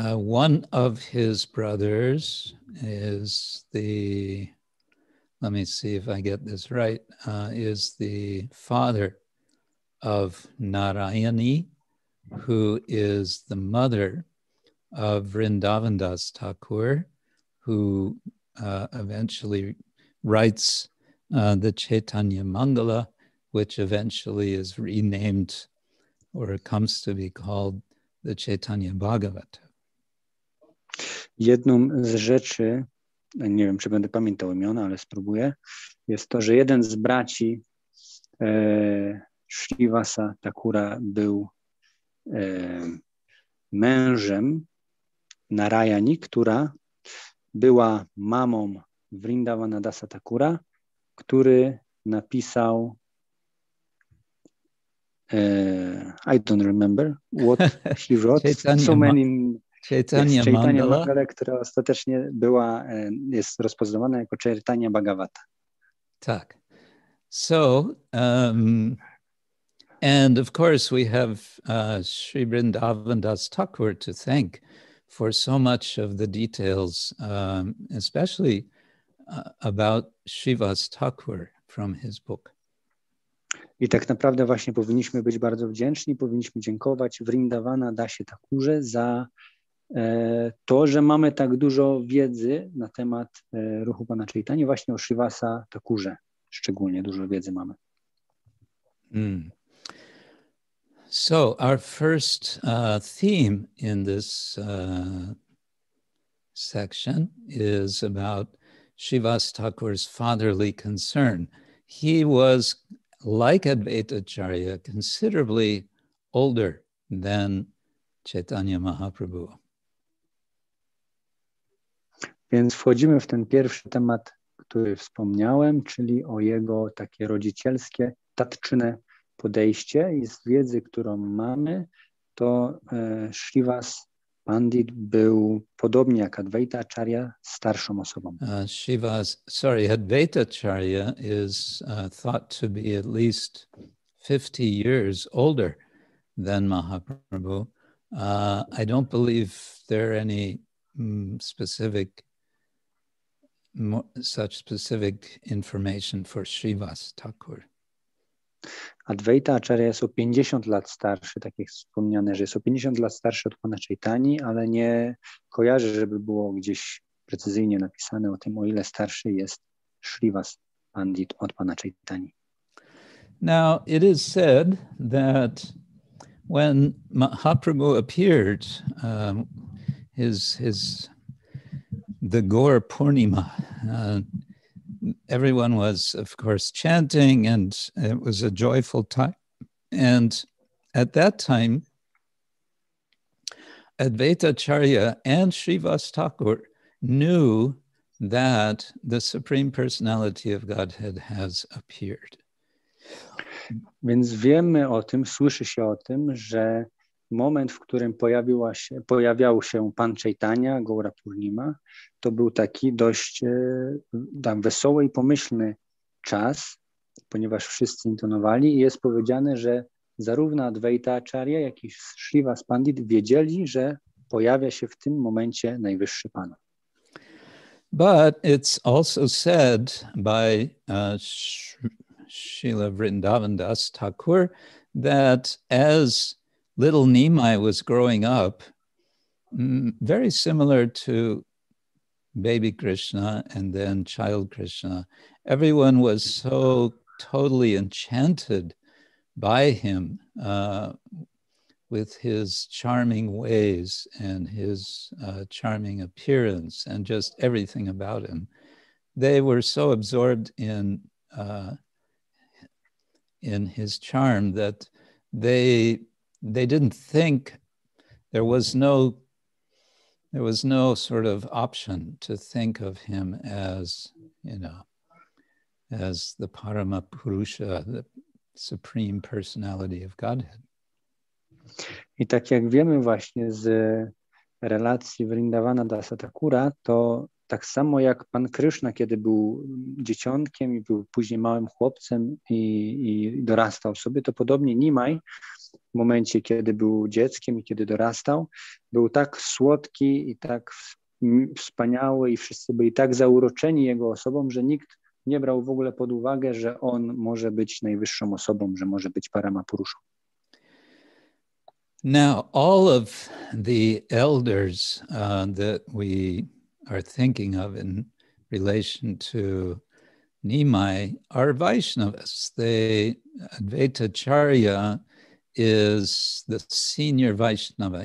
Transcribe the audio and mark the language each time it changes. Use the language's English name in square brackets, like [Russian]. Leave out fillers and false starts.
[English] One of his brothers is the, let me see if I get this right, is the father of Narayani, who is the mother of Vrindavan Das Thakur, who eventually writes the Chaitanya Mangala, which eventually is renamed or comes to be called the Chaitanya Bhagavat. [Polish] Jedną z rzeczy, nie wiem, czy będę pamiętał imiona, ale spróbuję, jest to, że jeden z braci Shrivasa Thakura był mężem Narayani, która była mamą Vrindavana Dasa Thakura, który napisał [English] I don't remember what he wrote. [Polish] Chaitanya Mangala, która ostatecznie jest rozpoznawana jako Chaitanya Bhagavata. Tak. [English] So, and of course we have Sri Vrindavan Das Thakur to thank for so much of the details, especially about Shivas Thakur from his book. [Polish] I tak naprawdę właśnie powinniśmy być bardzo wdzięczni, powinniśmy dziękować Vrindavana Dasie Thakurze za to, że mamy tak dużo wiedzy na temat ruchu pana Chaitanya, właśnie o Shrivasa Thakurze szczególnie dużo wiedzy mamy. [English] So our first theme in this section is about Shrivas Thakur's fatherly concern. He was, like Advaitacharya, considerably older than Chaitanya Mahaprabhu. [Polish] Więc wchodzimy w ten pierwszy temat, który wspomniałem, czyli o jego takie rodzicielskie, tatczyne podejście. I z wiedzy, którą mamy, to Shrivas Pandit był, podobnie jak Advaitacharya, starszą osobą. [English] Advaitacharya is thought to be at least 50 years older than Mahaprabhu. I don't believe there are any specific information for Shrivas Thakur. [Polish] Advaita Acharya jest o 50 lat starszy, tak jak wspomniane, że jest o 50 lat starszy od pana Chaitani, ale nie kojarzę, żeby było gdzieś precyzyjnie napisane o tym, o ile starszy jest Shrivas Pandit od pana Chaitani. [English] Now, it is said that when Mahaprabhu appeared, his the Gaur Purnima, everyone was, of course, chanting, and it was a joyful time. And at that time, Advaitacharya and Srivas Thakur knew that the Supreme Personality of Godhead has appeared. [Polish] Więc wiemy o tym, słyszy się o tym, że moment, w którym pojawiał się Pan Chaitanya, Gaura Purnima, to był taki dość wesoły i pomyślny czas, ponieważ wszyscy intonowali i jest powiedziane, że zarówno Advaita Acharya, jak i Srivas Pandit wiedzieli, że pojawia się w tym momencie Najwyższy Pan. [English] But it's also said by Srila Vrindavan Das Thakur that as little Nimai was growing up, very similar to baby Krishna and then child Krishna, everyone was so totally enchanted by him with his charming ways and his charming appearance and just everything about him. They were so absorbed in his charm that they didn't think there was no sort of option to think of him as, you know, as the Parama Purusha, the Supreme Personality of Godhead. [Polish] I tak jak wiemy właśnie z relacji Vrindavana Dasa Thakura, to tak samo jak Pan Krishna, kiedy był dzieciątkiem i był później małym chłopcem i dorastał sobie, to podobnie Nimai w momencie, kiedy był dzieckiem i kiedy dorastał, był tak słodki i tak wspaniały i wszyscy byli tak zauroczeni jego osobą, że nikt nie brał w ogóle pod uwagę, że on może być najwyższą osobą, że może być Paramapuruszą. [English] Now, all of the elders that we are thinking of in relation to Nimai are Vaishnavas. Advaitacharya is the senior Vaishnava.